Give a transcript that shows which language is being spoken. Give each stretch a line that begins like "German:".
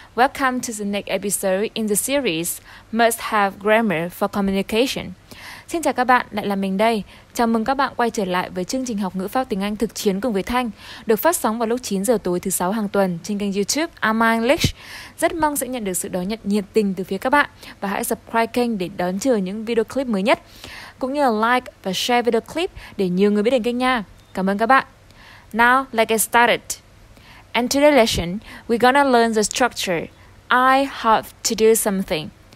English: Welcome to the next episode in the series Must Have Grammar for Communication.
Vietnamese: Xin chào các bạn, lại là mình đây. Chào mừng các bạn quay trở lại với chương trình học ngữ pháp tiếng Anh thực chiến cùng với Thanh, được phát sóng vào lúc 9 giờ tối thứ 6 hàng tuần trên kênh YouTube Ama English. Rất mong sẽ nhận được sự đón nhận nhiệt tình từ phía các bạn và hãy subscribe kênh để đón chờ những video clip mới nhất, cũng như là like và share video clip để nhiều người biết đến kênh nha. Cảm ơn các bạn.
English: Now, let's get started. In today's lesson, we're gonna learn the structure I have to do something.